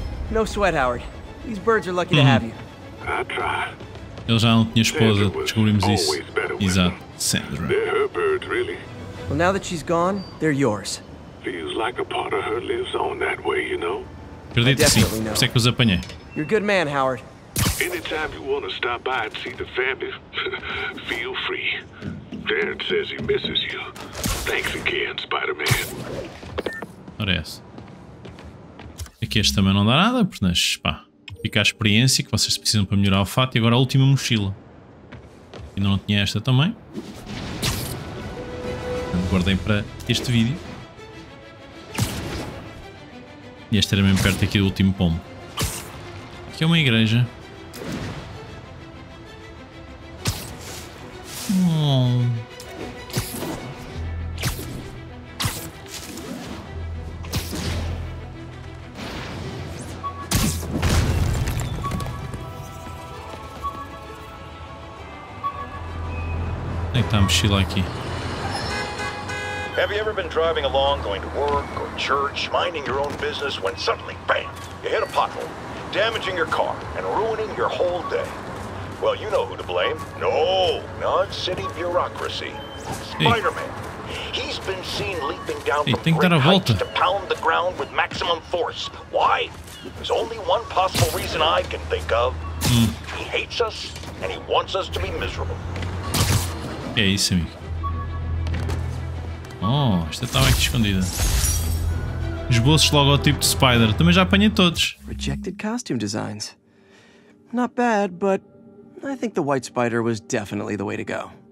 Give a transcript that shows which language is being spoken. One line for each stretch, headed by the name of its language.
English: No sweat, Howard. These birds are lucky to have you.
Portuguese: Ele já não tinha esposa, descobrimos isso. Exato. Sandra.
English: They're her birds, really. Well, now that she's gone, they're yours. Feels like a part of her lives on that way, you know?
Portuguese: Acredito sim. Por isso é que os apanhei.
English: You're a good man, Howard. Anytime you want to stop by and see the family, feel free. Darren says he misses you. Thanks again, Spider-Man.
Portuguese: Ora é essa. Aqui este também não dá nada, mas pá. Fica a experiência que vocês precisam para melhorar o fato. E agora a última mochila. Ainda não tinha esta também. Portanto, guardei para este vídeo. E este era mesmo perto aqui do último pomo. Aqui é uma igreja. Onde é que está a mochila aqui?
English: Have you ever been driving along, going to work or church, minding your own business, when suddenly, bam, you hit a pothole, damaging your car and ruining your whole day? Well, you know who to blame. No, not city bureaucracy. Spider-Man. He's been seen leaping down from great heights to pound the ground with maximum force. Why? There's only one possible reason I can think of. He hates us and he wants us to be miserable.
Portuguese: É isso, amigo. Oh, esta estava aqui escondida. Esboços logotipo de Spider. Também já apanhei todos.
English: Rejected costume designs. Not bad, but I think the white spider was definitely the way to go.